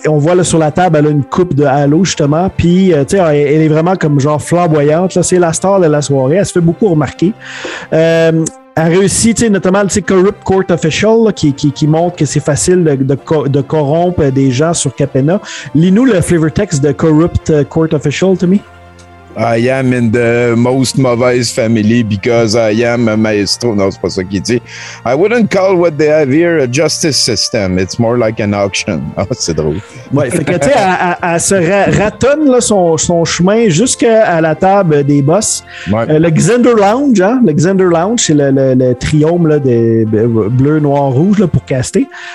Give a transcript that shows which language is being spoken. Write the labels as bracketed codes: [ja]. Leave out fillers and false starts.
[fr] On voit là sur la table, elle a une coupe de halo justement, puis tu sais, elle est vraiment comme genre flamboyante. Là, c'est la star de la soirée, elle se fait beaucoup remarquer. Elle réussit, tu sais, notamment le Corrupt Court Official là, qui montre que c'est facile de corrompre des gens sur Capenna. Lis-nous le flavor text de Corrupt Court Official, Tommy. [en] I am in the most mauvaise family because I am a maestro. [fr] Non, c'est pas ça qu'il dit. [en] I wouldn't call what they have here a justice system. It's more like an auction. [fr] Ah, c'est drôle. Ouais, fait que, tu sais, elle se ratonne là, son chemin jusqu'à la table des boss. Ouais. Le Xander Lounge, hein? Le Xander Lounge, c'est le triome là, de bleu, noir, rouge là, pour caster.